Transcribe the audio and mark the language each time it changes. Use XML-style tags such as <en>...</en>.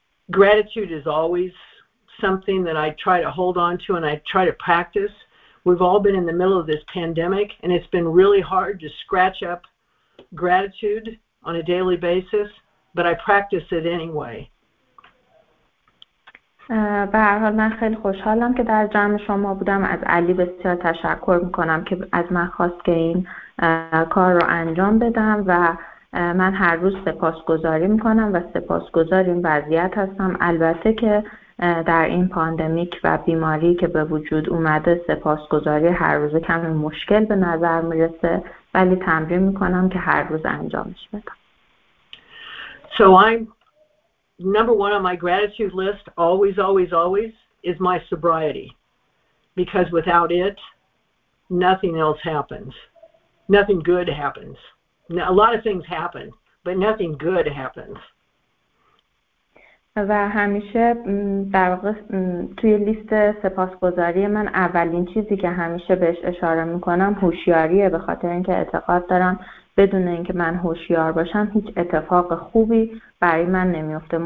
<en>Gratitude is always something that I try to hold on to and I try to practice. We've all been in the middle of this pandemic, and it's been really hard to scratch up gratitude on a daily basis, but I practice it anyway.</en> <fa>به هر حال من خیلی خوشحالم که در جمع شما بودم. از علی بسیار تشکر میکنم که از من خواست که این کار رو انجام بدم و من هر روز سپاسگزاری میکنم و سپاسگزار این وضعیت هستم. البته که در این پاندمیک و بیماری که به وجود اومده سپاسگزاری هر روز کمی مشکل به نظر میرسه، ولی تمرین میکنم که هر روز انجامش بدم.</fa> <en>So I'm number one on my gratitude list, always, always, always, is my sobriety. Because without it, nothing else happens. Nothing good happens. Now, a lot of things happen, but nothing good happens.</en> <fa>و همیشه در واقع توی لیست سپاسگزاری من اولین چیزی که همیشه بهش اشاره میکنم هوشیاریه، به خاطر اینکه اعتقاد دارم بدون اینکه من هوشیار باشم هیچ اتفاق خوبی برای من نمیفته.</fa>